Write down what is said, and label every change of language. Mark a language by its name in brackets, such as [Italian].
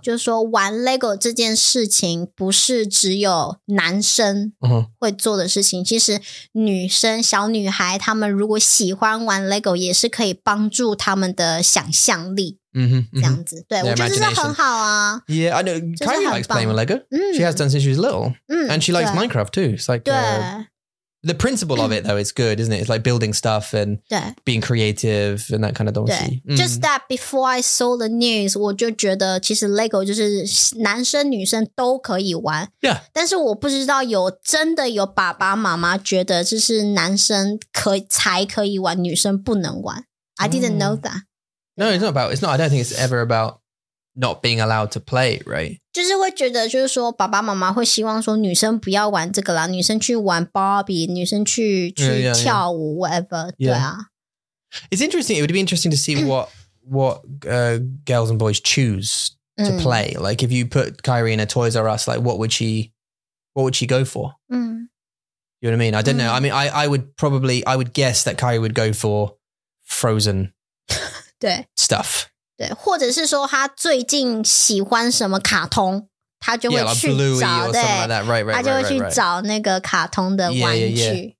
[Chinese] 就是说玩 Lego 这件事情不是只有男生会做的事情、 uh-huh. 其实女生小女孩她们如果喜欢玩 Lego 也是可以帮助她们的想象力、 mm-hmm. 这样子对、 [English] Their、 [Chinese] 我觉得这是很好啊 [English] Yeah, I know Kyrie likes playing with Lego、She has done since she was little、And she likes Minecraft too It's like、The principle of it though is good, isn't it? It's like building stuff and being creative and that kind of 东西、 Just that before I saw the news, [Chinese] 我就觉得其实 Lego 就是男生女生都可以玩。 [English] Yeah. [Chinese] 但是我不知道有真的有爸爸妈妈觉得就是男生才可以玩女生不能玩。 [English] I didn't know that. No, it's not about, it's not, I don't think it's ever about not being allowed to play, right? [Chinese] 就是会觉得就是说爸爸妈妈会希望说女生不要玩这个啦，女生去玩 Barbie, 女生去跳舞 whatever, [English] yeah. [Chinese] 对啊。 [English] It's interesting, it would be interesting to see what, girls and boys choose to play. Like if you put Kyrie in a Toys R Us, like what would she go for? You know what I mean? I don't know. I mean, I would guess that Kyrie would go for Frozen [Chinese] 对 [English] stuff. [Chinese] 对，或者是说他最近喜欢什么卡通，他就会去找，对，他就会去找那个卡通的玩具。